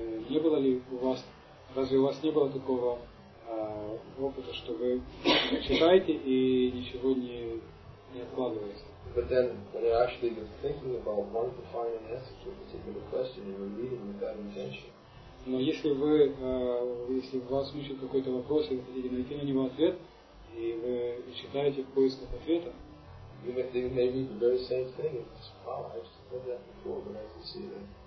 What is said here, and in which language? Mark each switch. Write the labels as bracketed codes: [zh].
[ru] Не было ли у вас, разве у вас не было такого опыта, что вы читаете и ничего не откладываете? [en] But then, when you're actually thinking about wanting to find an answer to a particular question, you're reading with that intention. [ru] Но если вы, если вас мучает какой-то вопрос, и вы хотите найти на него ответ, и вы читаете в поисках ответа, [en] you may read the very same thing. It's, wow, I've heard that before, but I can see that.